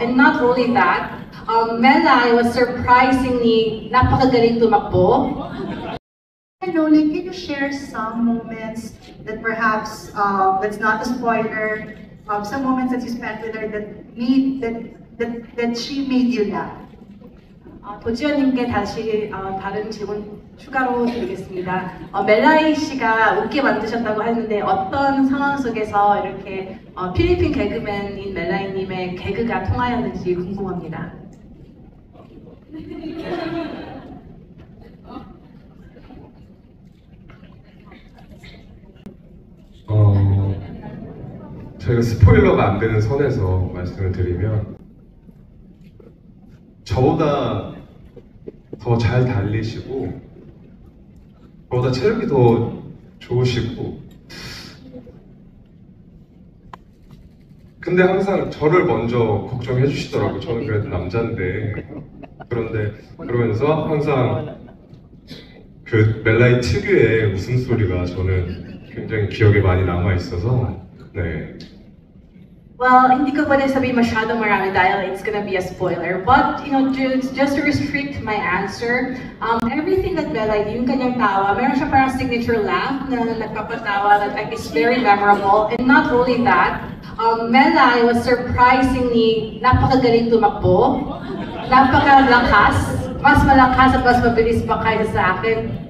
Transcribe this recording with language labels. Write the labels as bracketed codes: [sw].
[en] And not only that, Melai was surprisingly [tl] napakagaling tumakbo. [en] Noli, can you share some moments that perhaps, that's not a spoiler, some moments that you spent with her that she made you laugh? [ko] 도지연님께 다시 다른 질문 추가로 드리겠습니다. 멜라이 씨가 웃게 만드셨다고 했는데 어떤 상황 속에서 이렇게 필리핀 개그맨인 멜라이님의 개그가 통하였는지 궁금합니다. 제가 스포일러가 안 되는 선에서 말씀을 드리면 저보다 더 잘 달리시고 저보다 체력이 더 좋으시고 근데 항상 저를 먼저 걱정해 주시더라고요. 저는 그래도 남자인데 그런데 그러면서 항상 그 멜라이 특유의 웃음소리가 저는 굉장히 기억에 많이 남아 있어서 네. [tl] Well, hindi ko pwede sabihin masyado marami dahil [en] it's gonna be a spoiler. But, you know, just to restrict my answer, everything that Melai, [tl] yung kanyang tawa, meron siya parang [en] signature laugh [tl] na nagpapatawa, [en] that like, is very memorable. And not only that, Melai was surprisingly [tl] napakagaling tumakbo, napakalakas, mas malakas at mas mabilis pa kaysa sa akin.